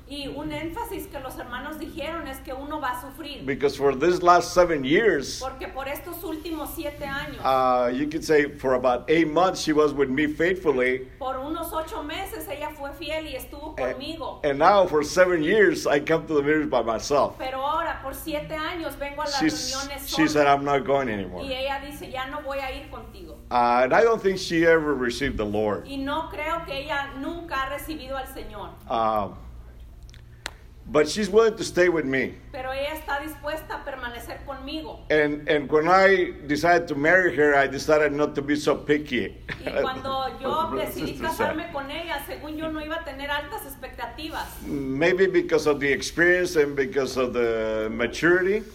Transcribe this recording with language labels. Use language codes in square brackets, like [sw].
[es] Y un énfasis que los hermanos dijeron es que uno va a sufrir. [en] Because for these last 7 years, [es] porque por estos últimos 7 años, [en] you could say for about 8 months she was with me faithfully. [es] Por unos 8 meses ella fue fiel y estuvo conmigo. [en] And now for 7 years I come to the marriage by myself. [es] Pero ahora por 7 años vengo a las reuniones sola. [en] She said I'm not going anymore. [es] Y ella dice ya no voy a ir contigo. [en] And I don't think she ever received the Lord. [es] Y no creo que ella nunca ha recibido al Señor. [en] But she's willing to stay with me. [es] Pero ella está dispuesta a permanecer conmigo. [en] And when I decided to marry her, I decided not to be so picky. [es] Y cuando yo decidí casarme con ella, según yo no iba a tener altas expectativas. [en] Maybe because of the experience and because of the maturity.